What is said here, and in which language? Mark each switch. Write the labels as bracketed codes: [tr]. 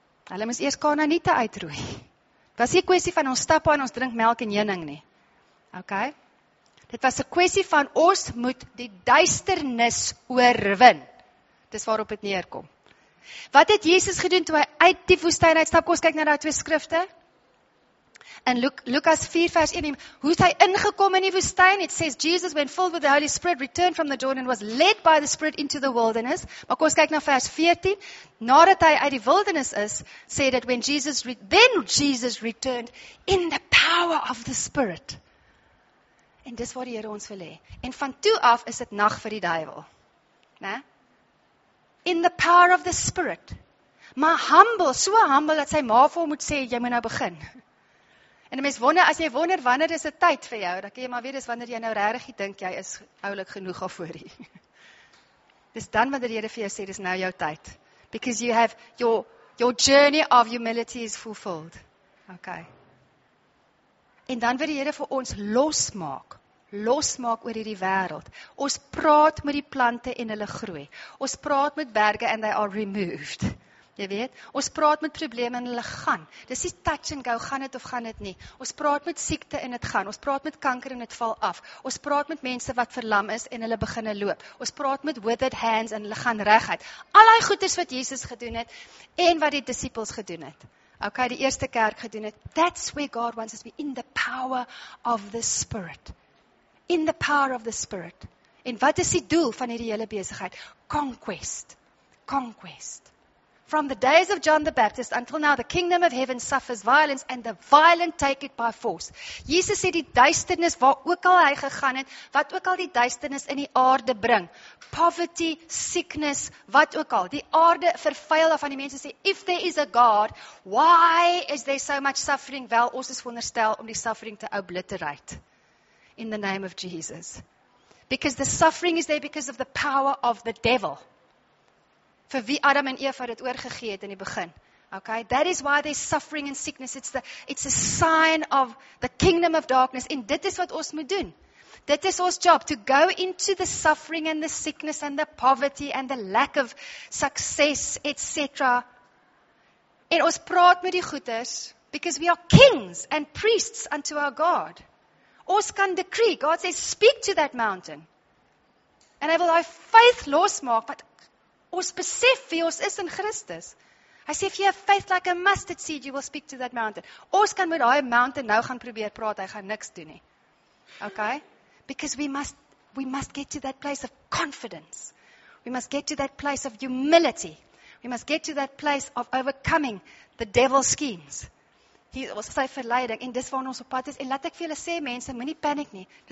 [af] Hulle moes eers Kanaaniete uitroei. Dit was nie 'n kwessie van ons stappe en ons drink melk en heuning nie. Okay? Dit was 'n kwessie van ons moet die duisternis oorwin. Dis waarop het neerkom. Wat het Jesus gedoen toe hy uit die woestijn uitstap? Kom ons kyk na daai twee skrifte. In Lukas 4 vers 1, hoe het hy ingekom in die woestijn? [en] It says, Jesus, when filled with the Holy Spirit, returned from the Jordan, was led by the Spirit into the wilderness. [af] Maar kom ons kyk na vers 14. Nadat hy uit die wildernis is, sê dat [en] when Jesus, then Jesus returned in the power of the Spirit. [af] En dis waar die Here ons wil hê. En van toe af is dit nag vir die duivel. Né? [en] In the power of the Spirit. [af] Maar humble, so humble dat sy ma vir hom moet sê, jy moet nou begin. En die mens wonder, as jy wonder wanneer is dit tyd vir jou, dan kan jy maar weet, dis wanneer jy nou regtig dink, jy is oulik genoeg al voor hier. Dis dan wanneer die Here vir jou sê, dis nou jou tyd. [en] Because you have, your journey of humility is fulfilled. [af] Okay. En dan wil die Here vir ons losmaak. Losmaak oor hierdie wêreld. Ons praat met die plante en hulle groei. Ons praat met berge [en] and they are removed. [af] Jy weet, ons praat met probleme en hulle gaan. Dis nie [en] touch and go, [af] gaan dit of gaan dit nie. Ons praat met siekte en dit gaan. Ons praat met kanker en dit val af. Ons praat met mense wat verlam is en hulle begin loop. Ons praat met [en] withered hands [af] en hulle gaan reguit. Al die goeders wat Jesus gedoen het en wat die disippels gedoen het. Okay, die eerste kerk gedoen het, [en] that's where God wants us to be, in the power of the Spirit. In the power of the Spirit. [af] En wat is die doel van hierdie hele besigheid? [en] Conquest. Conquest. From the days of John the Baptist until now, the kingdom of heaven suffers violence and the violent take it by force. [af] Jesus sê die duisternis waar ook al hy gegaan het, wat ook al die duisternis in die aarde bring. [en] Poverty, sickness, [af] wat ook al. Die aarde vervuil af en die mense sê, [en] if there is a God, why is there so much suffering? [af] Wel, ons is veronderstel om die suffering te obliterate. [en] In the name of Jesus. Because the suffering is there because of the power of the devil. [af] Vir wie Adam en Eva dit oorgegee het in die begin. [en] Okay, that is why there's suffering and sickness. It's a sign of the kingdom of darkness. [af] En dit is wat ons moet doen. Dit is ons job, [en] to go into the suffering and the sickness and the poverty and the lack of success, etc. [af] En ons praat met die goeders, [en] because we are kings and priests unto our God. [af] Ons kan decree, [en] God says, speak to that mountain. [af] En hy wil hy faith losmaak, wat ons besef wie ons is in Christus. [en] Hy sê, if you have faith like a mustard seed, you will speak to that mountain. [af] Ons kan met die mountain nou gaan probeer praat, hy gaan niks doen nie. [en] Okay? Because we must get to that place of confidence. We must get to that place of humility. We must get to that place of overcoming the devil's schemes. [af] Hy was sy verleiding, en dis waar ons op pad is. En laat ek vir julle sê, mense, moenie panic nie.